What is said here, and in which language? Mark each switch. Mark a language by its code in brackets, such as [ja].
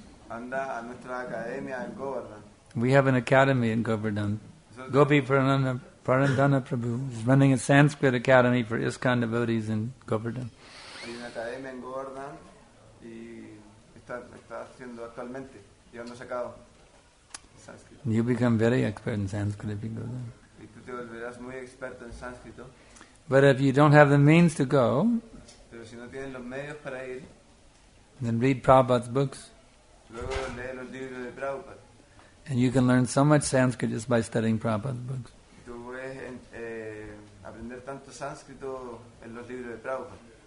[es] Anda a nuestra academia en Govardhan. [en] We have an academy in Govardhan. Gopi Parandana Prabhu is running a Sanskrit academy for ISKCON devotees in Govardhan. [es] Hay una academia en Govardhan y está haciendo actualmente. Ya no se acabó. [en] You become very expert in Sanskrit if you go there. But if you don't have the means to go, [es] pero si no tienen los medios para ir, [en] then read Prabhupada's books. [es] Luego lee los libros de Prabhupada. [en] And you can learn so much Sanskrit just by studying Prabhupada's books. [es] Tú puedes aprender tanto sánscrito en los libros de Prabhupada.